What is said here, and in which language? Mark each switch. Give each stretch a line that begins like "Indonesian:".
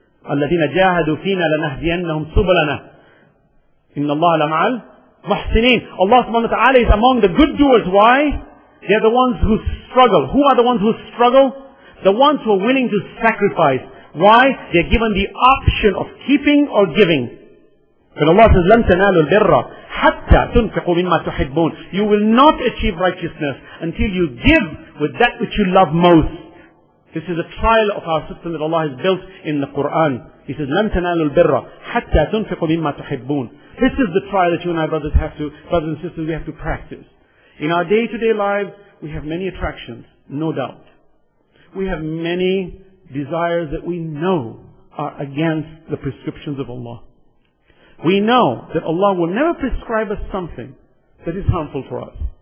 Arabic: الَّذِينَ جَاهَدُوا فِينَا لَنَهْدِيَنَّهُمْ سُبَلَنَا إِنَّ اللَّهَ لَمَعَ الْمُحْسِنِينَ.
English: Allah subhanahu wa ta'ala is among the good doers. Why? They're the ones who struggle. Who are the ones who struggle? The ones who are willing to sacrifice. Why? They're given the option of keeping or giving. When Allah says,
Arabic: لَمْ تَنَالُوا الْبِرَّ حَتَّى تُنْفِقُوا مِمَّا تُحِبُّونَ.
English: You will not achieve righteousness until you give with that which you love most. This is a trial of our system that Allah has built in the Quran. He says,
Arabic: لَمْ تَنَالُوا الْبِرَّ حَتَّى تُنْفِقُوا مِمَّا تُحِبُّونَ.
English: This is the trial that you and I brothers and sisters, we have to practice. In our day-to-day lives, we have many attractions, no doubt. We have many desires that we know are against the prescriptions of Allah. We know that Allah will never prescribe us something that is harmful for us.